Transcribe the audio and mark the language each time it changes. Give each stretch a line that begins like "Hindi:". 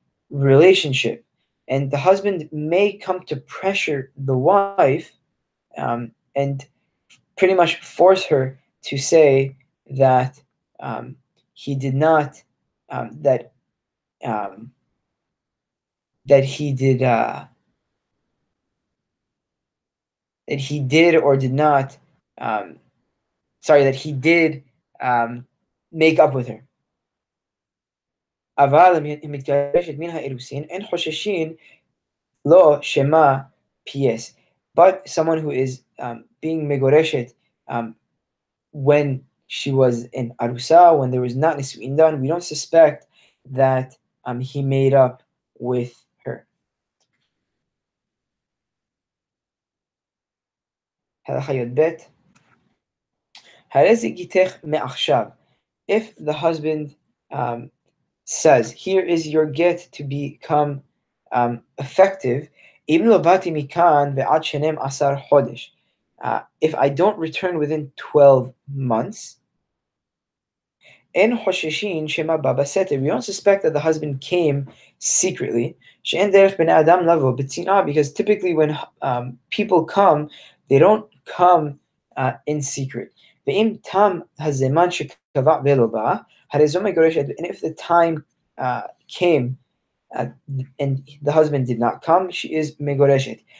English: relationship, and the husband may come to pressure the wife and pretty much force her to say that he did not that that he did that he did or did not sorry that he did make up with her.
Hebrew: אבל היא מתגרשת מן האירוסין, אין חוששין לא שמה פייס.
English: But someone who is being megoreshet when she was in arusa, when there was not nisuin done, we don't suspect that he made up with her.
Hebrew: הלכה י"ב. הרי זה גיתך מעכשיו.
English: If the husband says, here is your get to become effective,
Hebrew: אם לא באתי מכאן ועד שנים עשר חודש,
English: if I don't return within 12 months,
Hebrew: אין חוששין שמה בא בסתר.
English: We don't suspect that the husband came secretly,
Hebrew: שאין דרך בן אדם לבוא בצנעה,
English: because typically when people come, they don't come in secret.
Hebrew: ואם תם הזמן שקבע ולא בא, הרי זו מגורשת,
English: and if the time came and the husband did not come, she is megoreshet.